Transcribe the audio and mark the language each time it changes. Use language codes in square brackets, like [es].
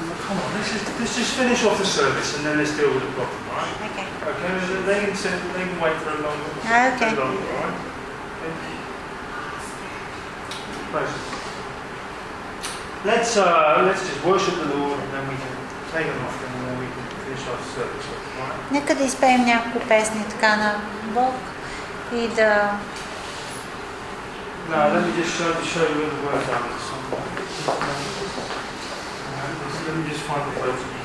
[en] No, come on, let's just finish off the service and then let's deal with the problem, right? Okay. Okay, they can wait for a long time. Okay. Longer, all right? Let's just worship the Lord and then we can take them off and then we can finish off the service. [bg] Нека да изпеем някакво песни така на Бог и да... [en] No, let me just show you where the words are. Let me just find the words.